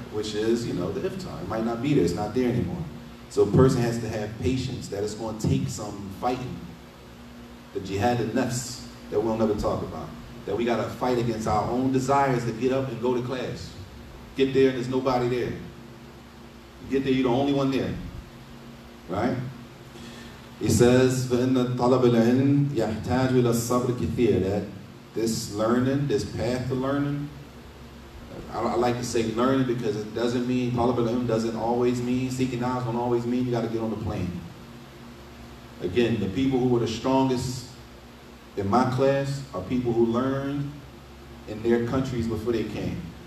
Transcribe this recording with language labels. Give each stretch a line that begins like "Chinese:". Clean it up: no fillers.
English: Which is, you know, the iftar. It might not be there, it's not there anymore. So a person has to have patience that it's going to take some fighting. The jihad al-nafs that we'll never talk about. That we got to fight against our own desires to get up and go to class. Get there and there's nobody there. You get there, you're the only one there. Right? He says,
Arabic: فَإِنَّ طَلَبِ الْعِلْمِ يَحْتَاجُ إِلَى الصَّبْرِ كِثِيرًا.
English: That this learning, this path of learning, I like to say learning because it doesn't mean, طَلَبِ الْعِلْمِ doesn't always mean, seeking knowledge don't always mean you got to get on the plane. Again, the people who were the strongest in my class are people who learned in their countries before they came.